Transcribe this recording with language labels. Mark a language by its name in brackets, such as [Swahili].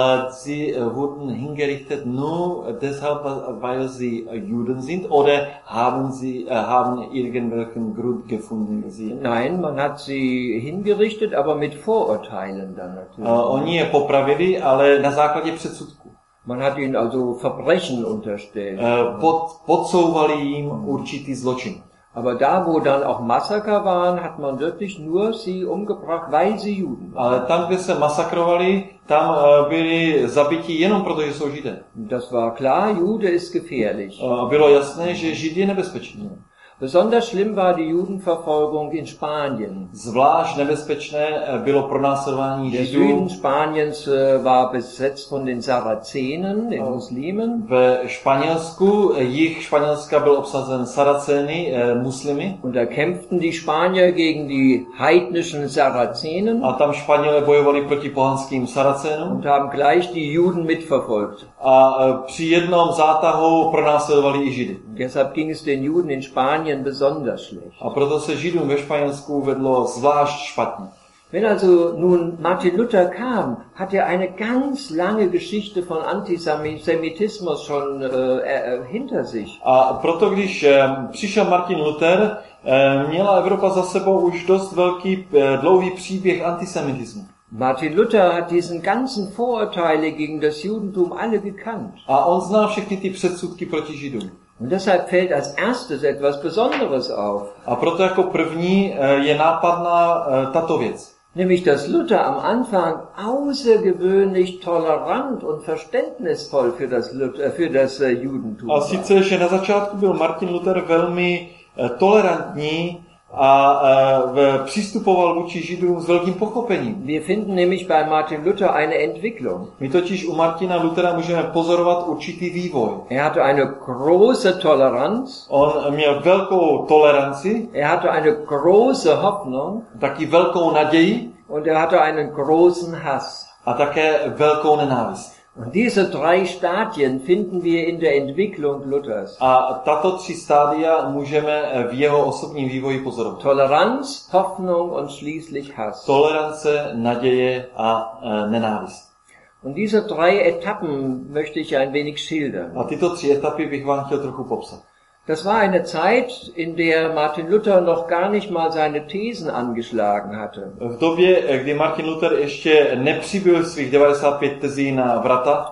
[German] Sie wurden hingerichtet nur deshalb, weil sie Juden sind, oder haben irgendwelchen Grund gefunden, sie? Nein, man hat sie hingerichtet, aber mit Vorurteilen dann natürlich. [Czech] Oni je popravili, ale na základě předsudku. [German] Man hat ihnen also Verbrechen unterstellt. [Czech] Podsouvali jim určitý zločin. [German] Aber da, wo dann auch Massaker waren, hat man wirklich nur sie umgebracht, weil sie Juden waren. [Czech] Ale tam, kde se masakrovali, tam byli zabiti jenom proto, že jsou Židé. [German] Das war klar, Jude ist gefährlich. [Czech] Bylo jasné, že Žid je nebezpečný. [German] Besonders schlimm war die Judenverfolgung in Spanien. [Czech] Zvlášť nebezpečné bylo pronásledování Židů. [German] Der Süden Spaniens war besetzt von den Sarazenen, den Muslimen. [Czech] Ve Španělsku, jich Španělska byl obsazen Saraceny, Muslimy. [German] Und da kämpften die Spanier gegen die heidnischen Sarazenen. [Czech] A tam Španělé bojovali proti pohanským Saracenům. [German] Und haben gleich die Juden mitverfolgt. [Czech] A při jednom zátahu pronásledovali i Židy. [German] Deshalb ging es den Juden in Spanien besonders schlecht. [Czech] A proto se Židům ve Španělsku vedlo zvlášť špatně. [German] Wenn also nun Martin Luther kam, hat er eine ganz lange Geschichte von Antisemitismus schon hinter sich. [Czech] A proto, když přišel Martin Luther, měla Evropa za sebou už dost velký, dlouhý příběh antisemitismu. [German] Martin Luther hat diesen ganzen Vorurteile gegen das Judentum alle gekannt. [Czech] A on znal všechny ty předsudky proti Židům. [German] Und deshalb fällt als erstes etwas Besonderes auf. [Czech] A proto jako první je nápadná tato věc. [German] Nämlich, dass Luther am Anfang außergewöhnlich tolerant und verständnisvoll für das Judentum [Czech] war. A sice, že na začátku byl Martin Luther velmi tolerantní a přistupoval vůči Židům s velkým pochopením. [German] Wir finden nämlich bei Martin Luther eine Entwicklung. [Czech] My totiž u Martina Luthera můžeme pozorovat určitý vývoj. [German] Er hatte eine große Toleranz. [Czech] On měl velkou toleranci. [German] Er hatte eine große Hoffnung. [Czech] Taky velkou naději. [German] Und er hatte einen großen Hass. [Czech] A také velkou nenávist. [German] Und diese drei Stadien finden wir in der Entwicklung Luthers. [Czech] A tato tři stádia můžeme v jeho osobním vývoji pozorovat. [German] Toleranz, Hoffnung und schließlich Hass. [Czech] Tolerance, naděje a nenávist. [German] Und diese drei Etappen möchte ich ein wenig schildern. [Czech] A tyto tři etapy bych vám chtěl trochu popsat. [German] Das war eine Zeit, in der Martin Luther noch gar nicht mal seine Thesen angeschlagen hatte. [Czech] V době, kdy Martin Luther ještě nepřibyl svých 95 tezí na vrata.